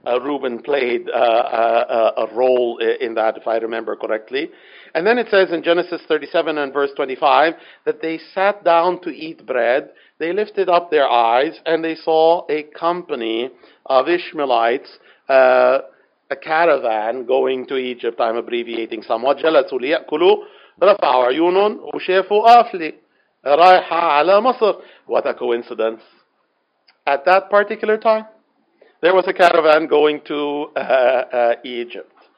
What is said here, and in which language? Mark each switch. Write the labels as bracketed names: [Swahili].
[English] Reuben played a role in that, if I remember correctly. And then it says in Genesis 37 and verse 25 that they sat down to eat bread. They lifted up their eyes and they saw a company of Ishmaelites, a caravan going to Egypt. I'm abbreviating somewhat. [Arabic] جلسوا ليأكلوا رفعوا عيونهم وشافوا قافلة رايحة على مصر. [English] What a coincidence. At that particular time, there was a caravan going to Egypt.